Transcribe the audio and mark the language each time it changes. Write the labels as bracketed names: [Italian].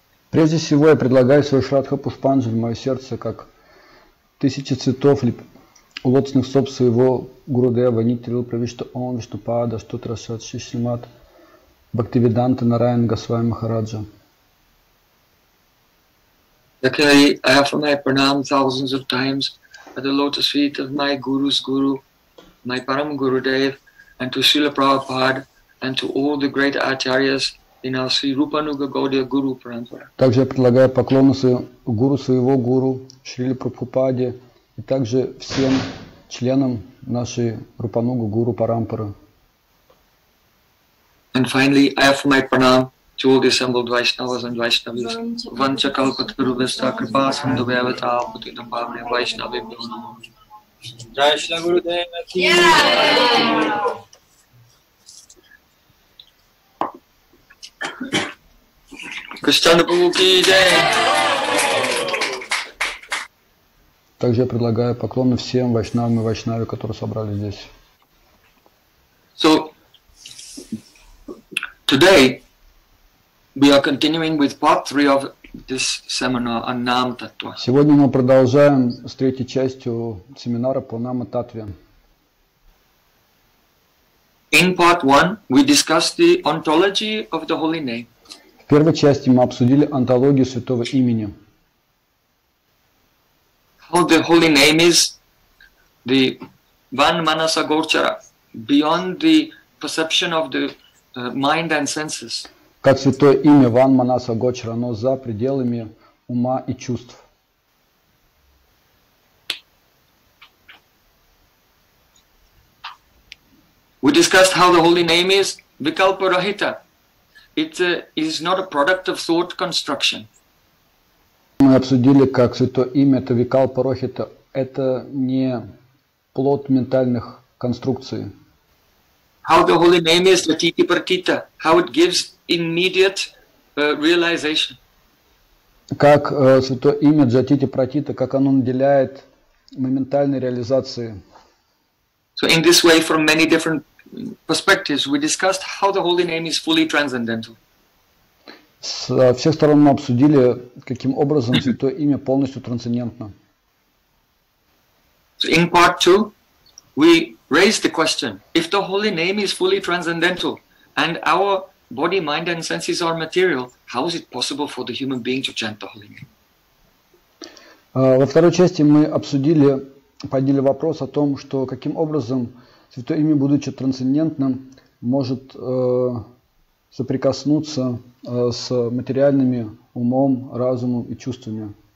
[Russian] Прежде всего я предлагаю свою шрадха пуспанджали в мое сердце, как тысячи цветов Лотосных стоп своего Гурудева, Нитрил, Правишта, Ом, Виштупада, Штутра, Шат, Шишимат, Бхактивиданта, Нараян, Госвами, Махараджа. Так я [English] offer my pranam thousands of times at the lotus feet of my Guru's Guru, my Param Gurudev, and to Srila Prabhupada, and to all the great acharyas in our Sri Rupanuga Gaudiya Guru Parampara. [Russian] Также я предлагаю поклоны Гуру своего Гуру, Шриле Прабхупаде, и также всем членам нашей Рупануга Гуру Парампара. [English] And finally, I offer my pranam to all the assembled Vaishnavas and Vaishnavis. Vancha Kalpataru Vesta Kripa Sandhu Vyavata Aputi Nambhavne Vaishnavi Bhuna Mahuni. [Hindi] Jai Shri Guru Devaki. Krishna Prabhu Ki Jai. [Russian] Также я предлагаю поклоны всем вайшнавам и вайшнаве, которые собрались здесь. [English] So, today we are continuing with part 3 of this seminar on Nam Tattva. [Russian] Сегодня мы продолжаем с третьей частью семинара по Нама Таттве. [English] In part 1 we discussed the ontology of the holy name. [Russian] В первой части мы обсудили онтологию святого имени. [English] How the holy name is the van manasa gochara, beyond the perception of the mind and senses. [Russian] Как святое имя ван манаса гочара, но за пределами ума и чувств. [English] We discussed how the holy name is vikalpa rahita. It is not a product of thought construction. [Russian] Мы обсудили, как святое имя, это викалпа рахита, это не плод ментальных конструкций. [English] How the holy name is Latiti Partita, how it gives immediate realization. [Russian] Как святое имя Джатити Пратита, как оно наделяет моментальной реализацией. [English] So in this way, from many different perspectives, we discussed how the holy name is fully transcendental. [Russian] С всех сторон мы обсудили, каким образом святое имя полностью трансцендентно. [English] So in part 2, we raised the question, if the holy name is fully transcendental and our body, mind and senses are material, how is it possible for the human being to chant the holy name? [Russian] Во второй части мы обсудили, подняли вопрос о том, что каким образом святое имя, будучи трансцендентным, может соприкоснуться с материальными умом, разумом и чувствами.